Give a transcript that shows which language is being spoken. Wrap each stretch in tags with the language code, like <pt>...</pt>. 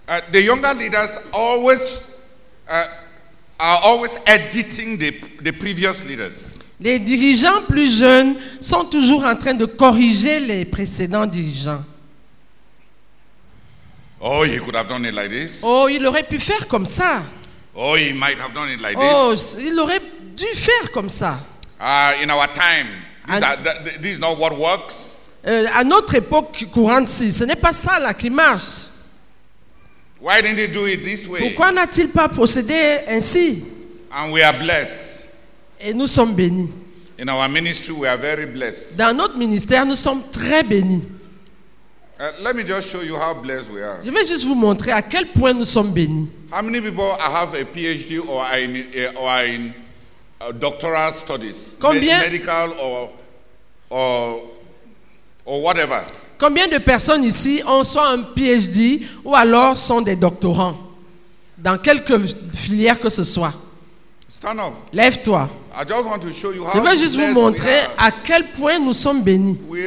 <en>The younger leaders are always editing the previous leaders.</en> <fr>Les dirigeants plus jeunes sont toujours en train de corriger les précédents dirigeants.</fr> <en>Oh, he could have done it like this.</en> <fr>Oh, il aurait pu faire comme ça.</fr> <en>Oh, he might have done it like this.</en> <fr>Il aurait dû faire comme ça.</fr> <en>In our time, this is not what works.</en> <fr>À notre époque courante, si, ce n'est pas ça là qui marche.</fr> <en>Why didn't he do it this way?</en> <fr>Pourquoi n'a-t-il pas procédé ainsi?</fr> <en>And we are blessed.</en> <fr>Et nous sommes bénis.</fr> <en>In our ministry, we are very blessed.</en> <fr>Dans notre ministère, nous sommes très bénis.</fr> <en>Let me just show you how blessed we are.</en> <fr>Je vais juste vous montrer à quel point nous sommes bénis.</fr> <en>How many people have a PhD or are in doctoral studies?</en> <fr>Combien</fr> <en>medical or whatever.</en> <fr>Combien de personnes ici ont soit un PhD ou alors sont des doctorants dans quelque filière que ce soit?</fr> <en>Stand up.</en> <fr>Lève-toi.</fr> <en>I just want to show you how</en> <fr>je vais juste vous montrer à quel point nous sommes bénis.</fr>